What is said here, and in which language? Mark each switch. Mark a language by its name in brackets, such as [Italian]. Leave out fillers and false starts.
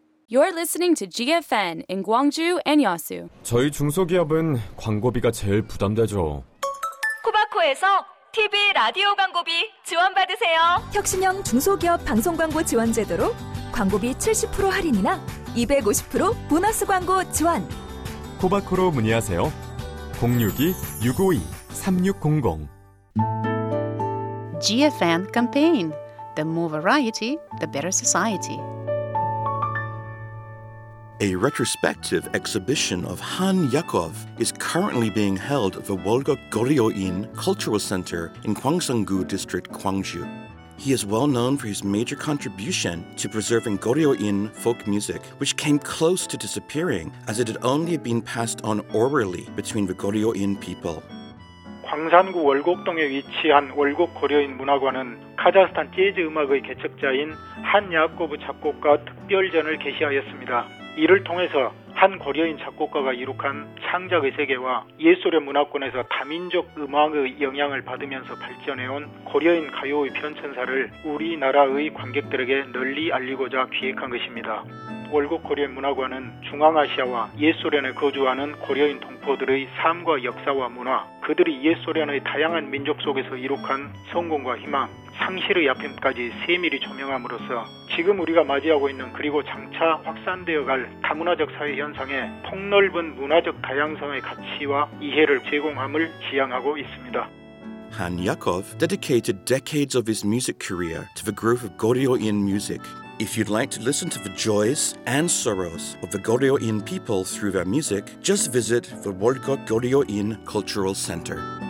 [English] Listening to GFN in Gwangju and Yeosu. [Korean] 저희 중소기업은 광고비가 제일 부담되죠. 코바코에서 TV 라디오 광고비 지원 받으세요. 혁신형 중소기업 방송 광고 지원 제도로 광고비 70% 할인이나 250% 보너스 광고 지원. 코바코로 문의하세요. 062-652-3600. [English] GFN campaign. The more variety, the better society. A retrospective exhibition of Han Yakov is currently being held at the Wolga Goryeo-in Cultural Center in Gwangsang-gu District, Gwangju. He is well known for his major contribution to preserving Goryeo-in folk music, which came close to disappearing as it had only been passed on orally between the Goryeo-in people. [Korean] 광산구 월곡동에 위치한 월곡 고려인 문화관은 카자흐스탄 재즈 음악의 개척자인 한 야코브 작곡가 특별전을 개시하였습니다. 이를 통해서 한 고려인 작곡가가 이룩한 창작의 세계와 예술의 문화권에서 다민족 음악의 영향을 받으면서 발전해온 고려인 가요의 변천사를 우리나라의 관객들에게 널리 알리고자 기획한 것입니다. 월곡 고려인 문화관은 중앙아시아와 옛소련에 거주하는 고려인 동포들의 삶과 역사와 문화, 그들이 옛소련의 다양한 민족 속에서 이룩한 성공과 희망, 상실의 아픔까지 세밀히 조명함으로써 지금 우리가 맞이하고 있는 그리고 장차 확산되어 갈 다문화적 사회 현상에 폭넓은 문화적 다양성의 가치와 이해를 제공함을 지향하고 있습니다. [English] Han Yakov dedicated decades of his music career to the growth of Goryeo-in music. If you'd like to listen to the joys and sorrows of the Goryeo-in people through their music, just visit the Wolgok Goryeo-in Cultural Center.